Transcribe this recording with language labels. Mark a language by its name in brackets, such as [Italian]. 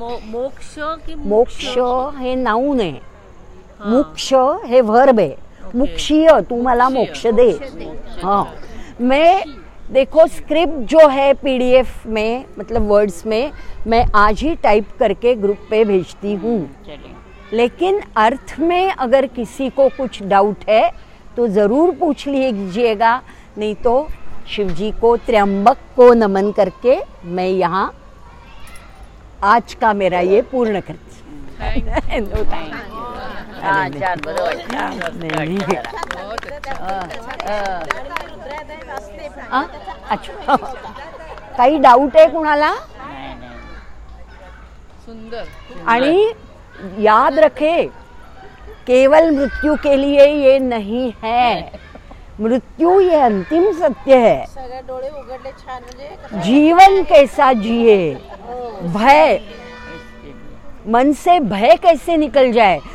[Marathi] मोक्ष हे नाउन आहे, मोक्ष हे वर्ब आहे. मुक्षीय तू मला मोक्ष दे. [Hindi] हाँ, मैं देखो स्क्रिप्ट जो है पीडीएफ में, मतलब वर्ड्स में, मैं आज ही टाइप करके ग्रुप पे भेजती हूँ. लेकिन अर्थ में अगर किसी को कुछ डाउट है तो जरूर पूछ लीजिएगा, नहीं तो शिवजी को त्र्यंबक को नमन करके मैं यहाँ आज का मेरा ये पूर्ण करती हूँ. [Marathi] अच्छा, काही डाउट आहे कुणाला? सुंदर. [Hindi] आणि याद रखे, केवल मृत्यु के लिए ये नहीं है, मृत्यु ये अंतिम सत्य है. जीवन कैसा जिए, भय मन से भय कैसे निकल जाए.